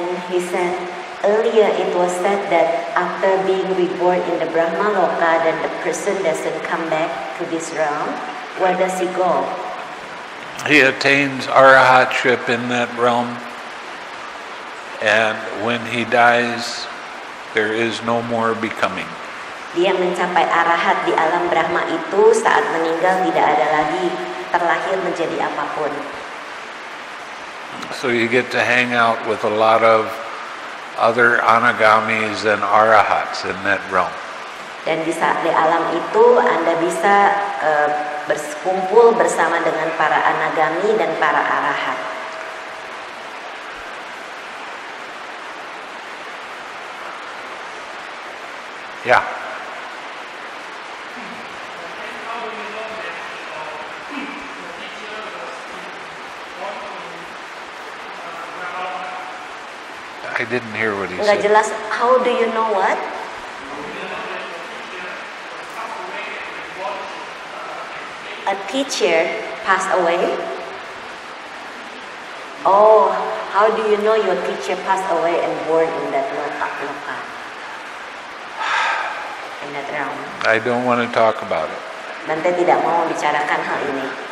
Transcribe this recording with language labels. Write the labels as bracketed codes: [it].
[en] he said, earlier it was said that after being reborn in the Brahma Loka, then the person doesn't come back to this realm. Where does he go? He attains arahatship in that realm. And when he dies, there is no more becoming. [id] Dia mencapai arahat di alam Brahma itu, saat meninggal tidak ada lagi terlahir menjadi apapun. [en] So you get to hang out with a lot of other anagamis and arahats in that realm. [id] Dan di saat di alam itu Anda bisa berkumpul bersama dengan para anagami dan para arahat. [en] Yeah. I didn't hear what he said. [id] Jelas. [en] How do you know what? A teacher passed away? Oh, how do you know your teacher passed away and born in that loka? In that realm? I don't want to talk about it. [id] Bhante tidak mau membicarakan hal ini.